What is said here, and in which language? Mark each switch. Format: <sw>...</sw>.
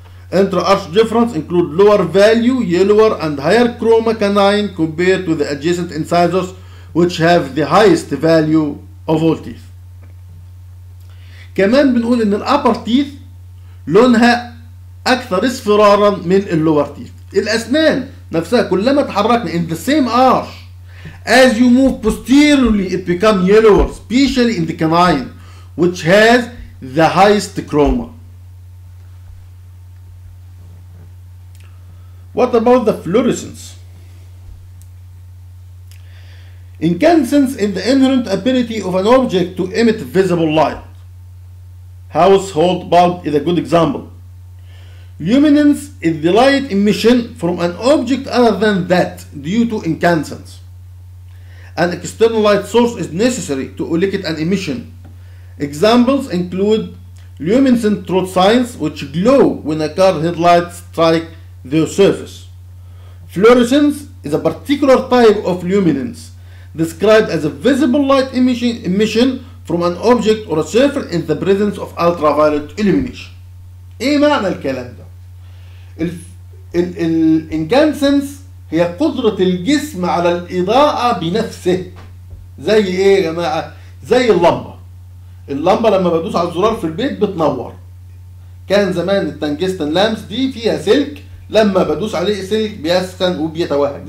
<en>Inter arch difference include lower value yellower and higher chroma canine compared to the adjacent incisors which have the highest value of all teeth.</en> <ar>كمان بنقول إن الأبر تيث لونها اكثر اصفرارا من اللور تيث. الاسنان نفسها كلما تحركنا</ar> <en>in the same arch as you move posteriorly it become yellower especially in the canine which has the highest chroma. What about the fluorescence? Incandescence in the inherent ability of an object to emit visible light. Household bulb is a good example. Luminance is the light emission from an object other than that due to incandescence. An external light source is necessary to elicit an emission. Examples include luminescent throat signs which glow when a car headlights strike their surface. Fluorescence is a particular type of luminance described as a visible light emission from an object or a surface in the presence of ultraviolet illumination.</en> <ar>ايه معنى الكلام ده؟ الانكانسنس هي قدرة الجسم على الاضاءة بنفسه. زي ايه يا جماعة؟ زي اللمبة. اللمبة لما بدوس على الزرار في البيت بتنور. كان زمان التنجستن لامس دي فيها سلك، لما بدوس عليه سلك بيسخن وبيتوهج.</ar>